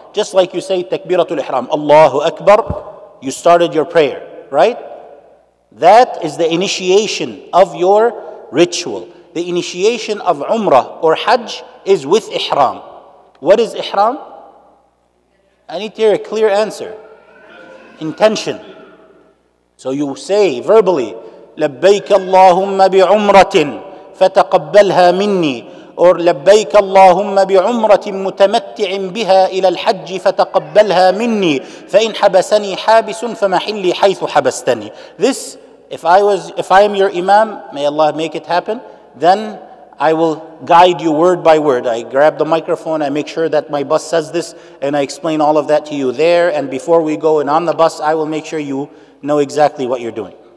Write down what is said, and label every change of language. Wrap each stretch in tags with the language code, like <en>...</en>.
<en>Just like you say takbiratul ihram, Allahu Akbar, you started your prayer, right? That is the initiation of your ritual. The initiation of umrah or hajj is with ihram. What is ihram? I need to hear a clear answer. Intention. So you say verbally,</en> <ar>لَبَّيْكَ اللَّهُمَّ بِعُمْرَةٍ فَتَقَبَّلْهَا مِنِّي or لَبَّيْكَ اللَّهُمَّ بِعُمْرَةٍ مُتَمَتِّعٍ بِهَا إِلَى الْحَجِّ فَتَقَبَّلْهَا مِنِّي فَإِنْ حَبَسَنِي حَابِسٌ فَمَحِلِّي حَيْثُ حَبَسْتَنِي.</ar> <en>This, if I am your imam, may Allah make it happen, then I will guide you word by word. I grab the microphone, I make sure that my bus says this, and I explain all of that to you there, and before we go and on the bus, I will make sure you know exactly what you're doing.</en>